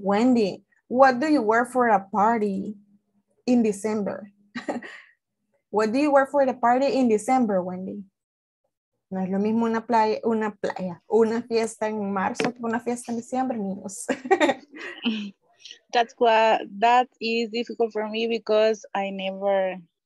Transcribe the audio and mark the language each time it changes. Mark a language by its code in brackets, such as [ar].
[en] Wendy, what do you wear for a party in December? What do you wear for the party in December, Wendy? [es] No es lo mismo una playa, una fiesta en marzo que una fiesta en diciembre, niños. [en] That is difficult for me because I never